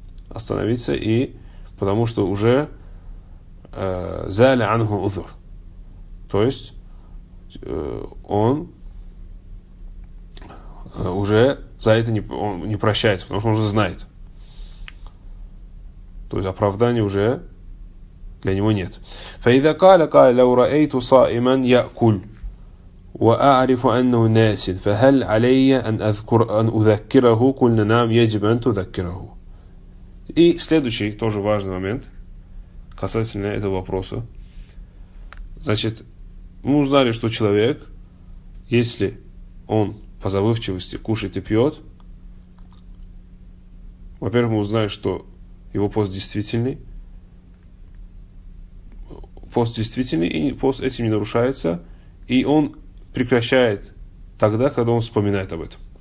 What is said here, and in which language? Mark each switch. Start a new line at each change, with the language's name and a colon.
Russian: Остановиться, и потому что уже
Arabic: زَالَ عَنْهُ الْعُذْرُ
Russian: То есть, он уже за это не прощается, потому что он уже знает. То есть оправдания уже для него нет.
Arabic: فَإِذَا قَالَ قَالَ لَوْ رَأَيْتُ صَائِمًا يَأْكُلُ وَأَعْرِفُ أَنَّهُ نَاسٍ فَهَلْ عَلَيَّ أَنْ أُذَكِّرَهُ قُلْنَا نَعَمْ يَجِبَ أَنْ تُذَكِّرَهُ
Russian: И следующий тоже важный момент касательно этого вопроса. Значит, мы узнали, что человек, если он по забывчивости кушает и пьет, во-первых, мы узнали, что его пост действительный. Пост действительный, и пост этим не нарушается. И он прекращает тогда, когда он вспоминает об этом.